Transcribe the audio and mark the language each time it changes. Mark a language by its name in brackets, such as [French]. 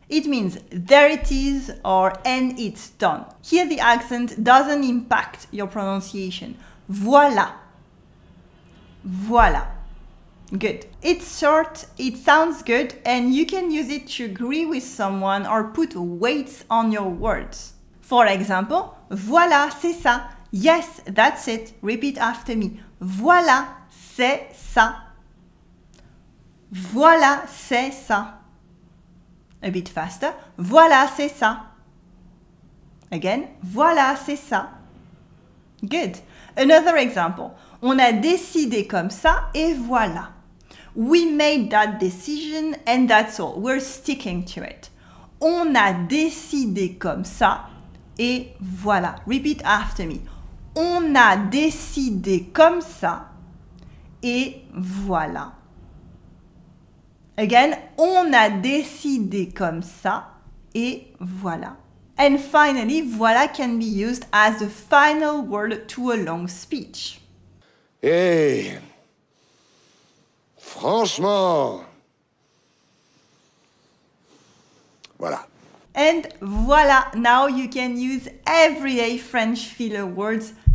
[English] It means there it is or and it's done. Here the accent doesn't impact your pronunciation. Voilà. Voilà. Good. It's short, it sounds good, and you can use it to agree with someone or put weights on your words. For example, [French] voilà, c'est ça. [English] Yes, that's it. Repeat after me. [French] Voilà, c'est ça. Voilà, c'est ça. [English] A bit faster. [French] Voilà, c'est ça. Again. Voilà, c'est ça. [English] Good. Another example. [French] On a décidé comme ça et voilà. [English] We made that decision and that's all. We're sticking to it. [French] On a décidé comme ça et voilà. [English] Repeat after me. [French] On a décidé comme ça et voilà. Again, on a décidé comme ça et voilà. [English] And finally, voilà can be used as the final word to a long speech. [French] Hey, franchement, voilà. [English] And voilà, now you can use everyday French filler words.